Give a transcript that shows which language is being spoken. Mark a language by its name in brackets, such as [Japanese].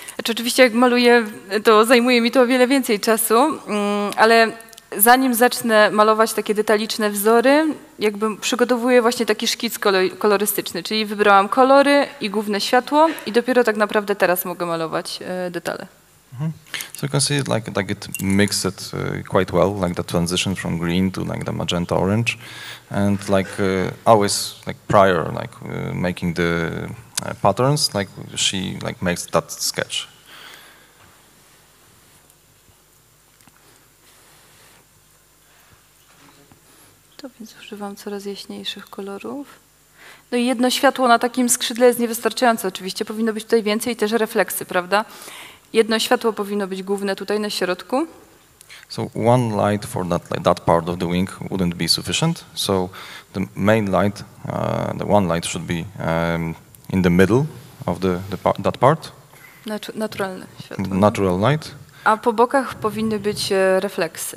[Polish] oczywiście jak maluję, to zajmuje mi to o wiele więcej czasu, ale zanim zacznę malować takie detaliczne wzory, jakby przygotowuję właśnie taki szkic kolorystyczny, czyli wybrałam kolory i główne światło i dopiero tak naprawdę teraz mogę malować detale. Mm-hmm. [English] So you can see it like it mixed it quite well, like the transition from green to like the magenta orange, and like always like prior like making the patterns, like she like makes that sketch. [Polish] To więc używam coraz jaśniejszych kolorów. No i jedno światło na takim skrzydle jest niewystarczające. Oczywiście powinno być tutaj więcej i też refleksy, prawda? Jedno światło powinno być główne tutaj na środku. [English] So one light for that like that part of the wing wouldn't be sufficient. So the main light, the one light should be in the middle of the part, that part. [Polish] Naturalne światło. [English] Natural light. [Polish] A po bokach powinny być refleksy.